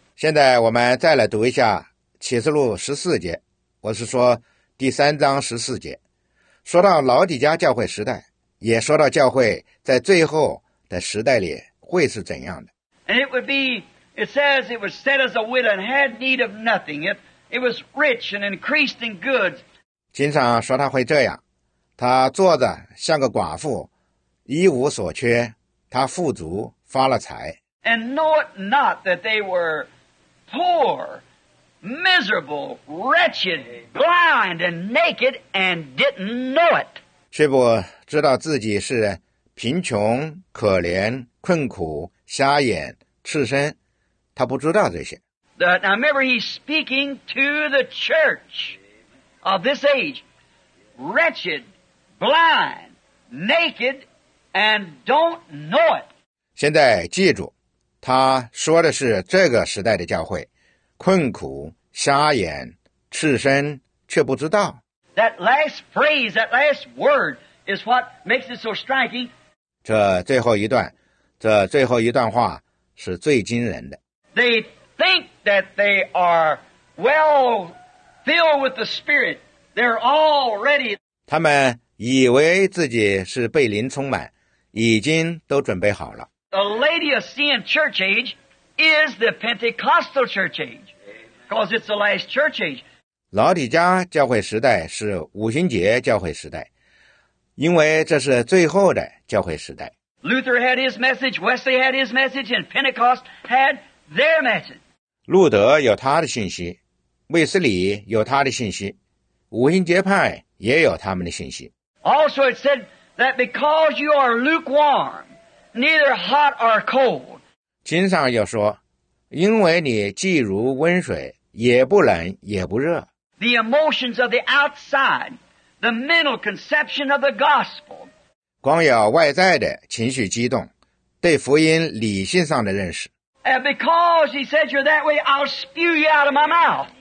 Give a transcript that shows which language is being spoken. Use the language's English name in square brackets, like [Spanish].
[Chinese] 现在我们再来读一下启示录14节，我是说第三章14节，说到老底家教会时代，也说到教会在最后的时代里会是怎样的。 [English] And it would beIt says it was set as a widow and had need of nothing. It was rich and increased in goods. [Chinese] 经常说他会这样，他坐着像个寡妇，一无所缺，他富足发了财。 [English] And know it not that they were poor, miserable, wretched, blind, and naked, and didn't know it. [Chinese] 却不知道自己是贫穷、可怜、困苦、瞎眼、赤身。他不知道这些。 [English] Now remember, he's speaking to the church of this age. Wretched, blind, naked, and don't know it. [Chinese] 现在记住，他说的是这个时代的教会，困苦、瞎眼、赤身，却不知道。 [English] That last phrase, that last word is what makes it so striking. [Chinese] 这最后一段，这最后一段话是最惊人的。 [English] They think that they are well filled with the Spirit. They're already. [Chinese] 他们以为自己是被灵充满，已经都准备好了。 [English] The Laodicean church age is the Pentecostal church age, because it's the last church age. [Chinese] 老底家教会时代是五旬节教会时代，因为这是最后的教会时代。 [English] Luther had his message, Wesley had his message, and Pentecost had. Their message. [Chinese] 路德有他的信息，卫斯理有他的信息，五旬节派也有他们的信心。 [English] Also, it said that because you are lukewarm, neither hot or cold. [Chinese] 经上又说，因为你既如温水，也不冷也不热。 [English] The emotions of the outside, the mental conception of the gospel. [Chinese] 光有外在的情绪激动，对福音理性上的认识。 [English] And because he said you're that way, I'll spew you out of my mouth.